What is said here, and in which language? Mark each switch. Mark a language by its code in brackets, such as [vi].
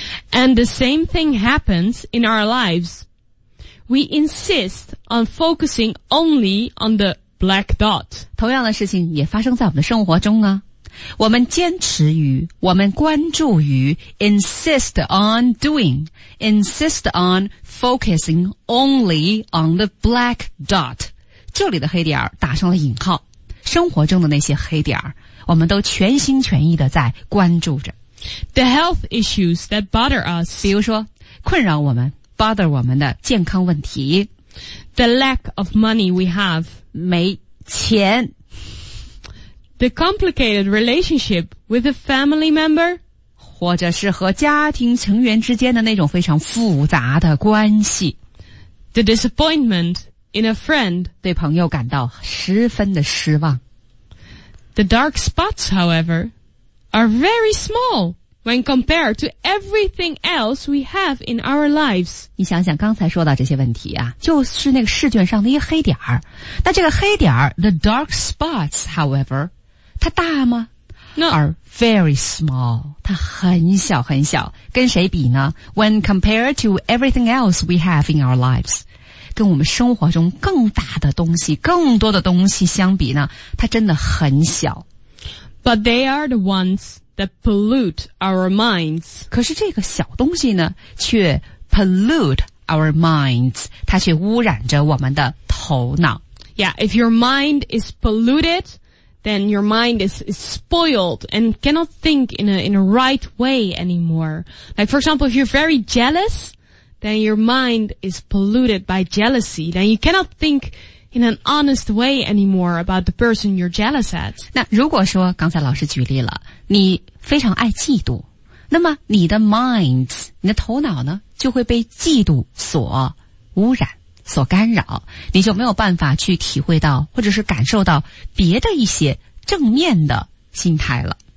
[en] And the same thing happens in our lives. We insist on focusing only on the black dot. [zh] 同样的事情也发生在我们的生活中啊。我们坚持于，我们关注于 [en] insist on doing, insist on focusing only on the black dot. [zh] 这里的黑点打上了引号，生活中的那些黑点我们都全心全意的在关注着。 [en] The health issues that bother us. [zh] 比如说困扰我们 bother 我们的健康问题。 [en] The lack of money we have. [zh] 没钱。 [en] The complicated relationship with a family member. [zh] 或者是和家庭成员之间的那种非常复杂的关系。 [en] The disappointment in a friend. [zh] 对朋友感到十分的失望。 [en] The dark spots, however,are very small when compared to everything else we have in our lives. [zh] 你想想刚才说到这些问题啊，就是那个试卷上的一个黑点儿。那这个黑点儿 , [en] the dark spots, however, [zh] 它大吗 [en] ?No. are very small. [zh] 它很小很小。跟谁比呢 [en] ?when compared to everything else we have in our lives. [zh] 跟我们生活中更大的东西更多的东西相比呢，它真的很小。 [en] But they are the ones that pollute our minds. [zh] 可是这个小东西呢却 [en] pollute our minds. [zh] 它却污染着我们的头脑。 [en] Yeah, if your mind is polluted, then your mind is spoiled and cannot think in a right way anymore. Like, for example, if you're very jealous, then your mind is polluted by jealousy. Then you cannot think... in an honest way anymore about the person you're jealous at. [zh] 那如果说刚才老师举例了，你非常爱嫉妒，那么你的 minds, 你的头脑呢，就会被嫉妒所污染，所干扰，你就没有办法去体会到或者是感受到别的一些正面的心态了。